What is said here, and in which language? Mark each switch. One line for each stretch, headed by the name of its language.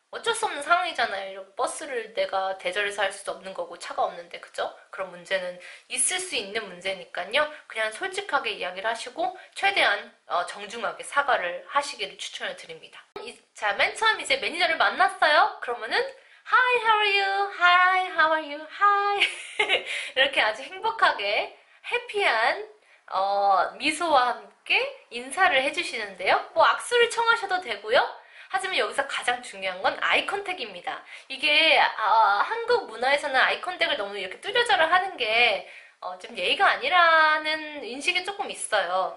Korean: 어쩔 수 없는 상황이잖아요. 버스를 내가 대절해서 할 수도 없는 거고 차가 없는데, 그죠? 그런 문제는 있을 수 있는 문제니까요. 그냥 솔직하게 이야기를 하시고 최대한 정중하게 사과를 하시기를 추천을 드립니다. 자, 맨 처음 이제 매니저를 만났어요. 그러면은
English: Hi, how are you? Hi.
Korean: 이렇게 아주 행복하게 해피한 미소와 함께 인사를 해주시는데요. 뭐 악수를 청하셔도 되고요. 하지만 여기서 가장 중요한 건 아이컨택입니다. 이게 한국 문화에서는 아이컨택을 너무 이렇게 뚜려져라 하는 게좀 예의가 아니라는 인식이 조금 있어요.